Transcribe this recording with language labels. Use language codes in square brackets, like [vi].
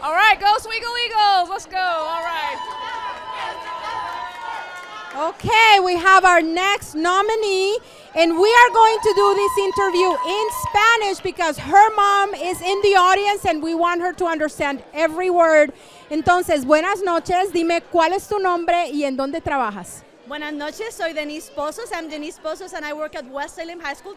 [en] All right, go Swiggle Eagles! Let's go, all right. Okay, we have our next nominee, and we are going to do this interview in Spanish because her mom is in the audience and we want her to understand every word. [es] Entonces, buenas noches, dime cuál es tu nombre y en dónde trabajas. Buenas noches, soy Denise Pozos. [en] I'm Denise Pozos and I work at West Salem High School.